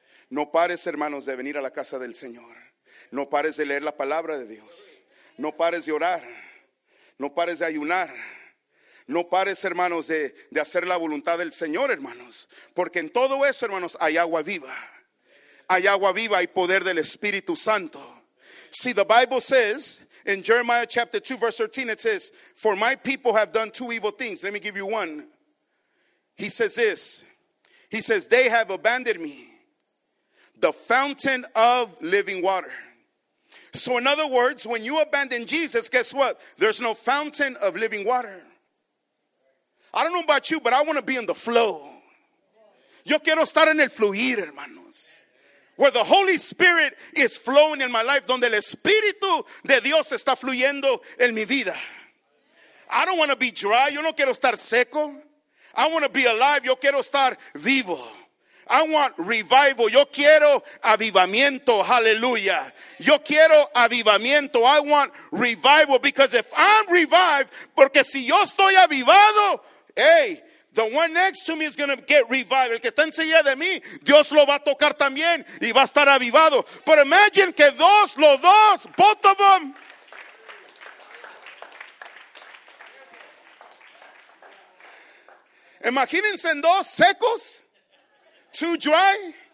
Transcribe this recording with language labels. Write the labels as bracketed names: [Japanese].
[Spanish] No pares, hermanos, de venir a la casa del Señor. No pares de leer la palabra de Dios. No pares de orar. No pares de ayunar. No pares, hermanos, de hacer la voluntad del Señor, hermanos. Porque en todo eso, hermanos, hay agua viva. Hay agua viva y poder del Espíritu Santo. [English] See, the Bible says in Jeremiah chapter 2, verse 13, it says, "For my people have done two evil things." Let me give you one. He says this. He says, "They have abandoned me, the fountain of living water." So in other words, when you abandon Jesus, guess what? There's no fountain of living water. I don't know about you, but I want to be in the flow. [Spanish] Yo quiero estar en el fluir, hermanos. [English] Where the Holy Spirit is flowing in my life. [Spanish] Donde el Espíritu de Dios está fluyendo en mi vida. [English] I don't want to be dry. [Spanish] Yo no quiero estar seco. [English] I want to be alive. [Spanish] Yo quiero estar vivo. [English] I want revival. [Spanish] Yo quiero avivamiento. [English] Hallelujah. [Spanish] Yo quiero avivamiento. [English] I want revival. Because if I'm revived, [Spanish] porque si yo estoy avivado, [English] hey, the one next to me is going to get revived. [Spanish] El que está en silla de mí, Dios lo va a tocar también y va a estar avivado. [English] But imagine [Spanish] que dos, los dos, [English] both of them. [Spanish] Imagínense en dos secos, [English] too dry.